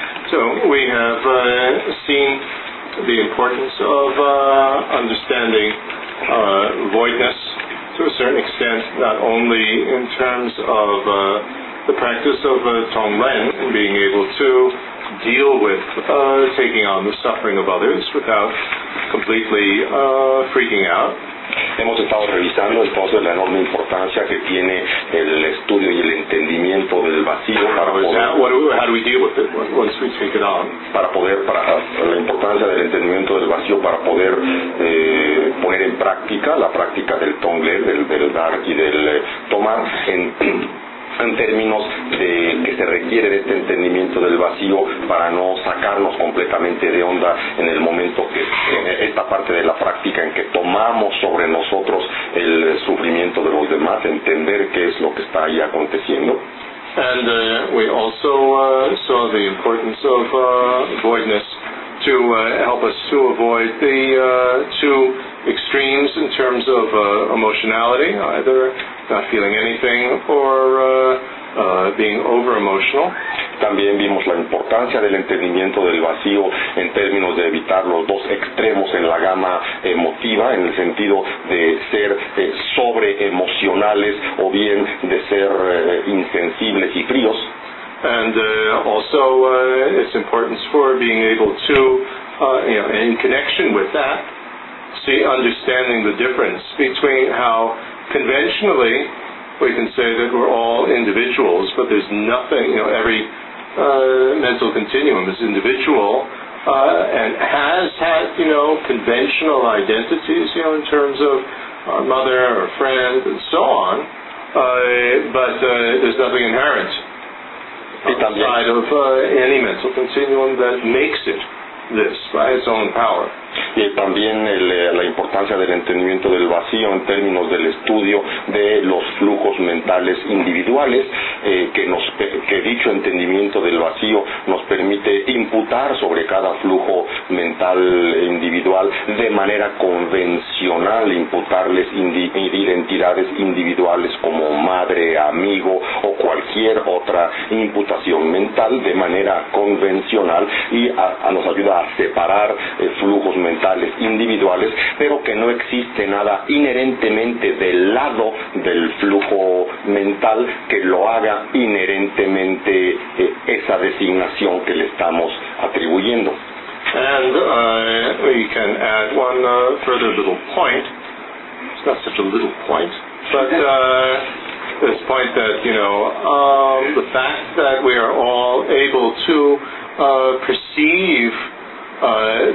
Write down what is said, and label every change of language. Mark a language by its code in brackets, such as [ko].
[en] So we have seen the importance of understanding voidness to a certain extent, not only in terms of the practice of Tonglen and being able to deal with taking on the suffering of others without completely freaking out. [es] Hemos estado revisando entonces la enorme importancia que tiene el estudio y el entendimiento del vacío para la importancia del entendimiento del vacío para poder poner en práctica la práctica del tongle, del dar y del tomar en términos de que se requiere de este entendimiento del vacío para no sacarnos completamente de onda en el momento que en esta parte de la práctica en que tomamos sobre nosotros el sufrimiento de los demás, entender qué es lo que está ahí aconteciendo. [en] And we also saw the importance of voidness to help us to avoid the two extremes in terms of emotionality, either not feeling anything or being over emotional. [es] También vimos la importancia del entendimiento del vacío en términos de evitar los dos extremos en la gama emotiva, en el sentido de ser sobre emocionales o bien de ser insensibles y fríos. [en] And also its importance for being able to in connection with that, see, understanding the difference between how conventionally we can say that we're all individuals, but there's nothing, every mental continuum is individual and has had, conventional identities, in terms of our mother or friend and so on, but there's nothing inherent outside of any mental continuum that makes it this by its own power. [es] Y también la importancia del entendimiento del vacío en términos del estudio de los flujos mentales individuales, que dicho entendimiento del vacío nos permite imputar sobre cada flujo mental individual de manera convencional, imputarles identidades individuales como madre, amigo o cualquier otra imputación mental de manera convencional, y nos ayuda a separar flujos mentales individuales, pero que no existe nada inherentemente del lado del flujo mental que lo haga inherentemente esa designación que le estamos atribuyendo. [en] And we can add one further little point. It's not such a little point, but this point that the fact that we are all able to perceive